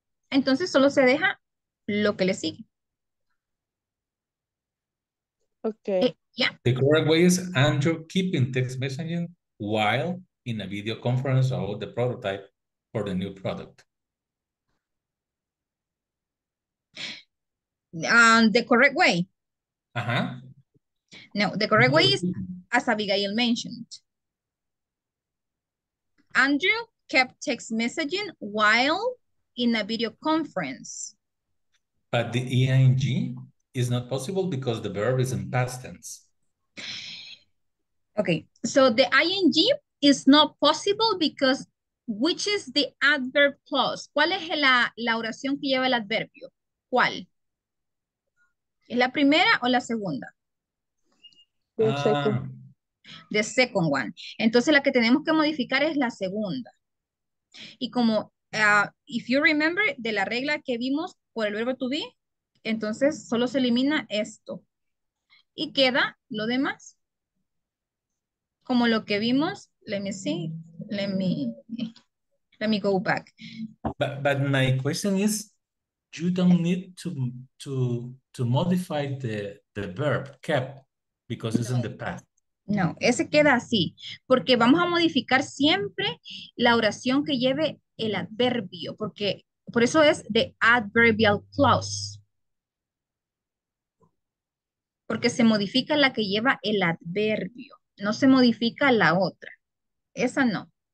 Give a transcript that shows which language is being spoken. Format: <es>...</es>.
<es>Entonces solo se deja lo que le sigue.</es> <en>Okay. Yeah. The correct way is Andrew keeping text messaging while in a video conference or the prototype for the new product. The correct way. Uh-huh. No, the correct way is as Abigail mentioned. Andrew kept text messaging while in a video conference. But the ing is not possible because the verb is in past tense. Okay, so the ing is not possible because which is the adverb clause?</en> <es>¿Cuál es la oración que lleva el adverbio? ¿Cuál? ¿Es la primera o la segunda?</es> <en>The second one.</en> <es>Entonces la que tenemos que modificar es la segunda. Y como,</es> <en>if you remember,</en> <es>de la regla que vimos por el verbo to be, entonces solo se elimina esto. Y queda lo demás. Como lo que vimos,</es> <en>let me go back. But my question is, you don't need to modify the verb kept because it's in the past.</en> <es>No, ese queda así. Porque vamos a modificar siempre la oración que lleve el adverbio. Porque por eso es</es> <en>the adverbial clause.</en> <es>Porque se modifica la que lleva el adverbio. No se modifica la otra. Esa no.</es>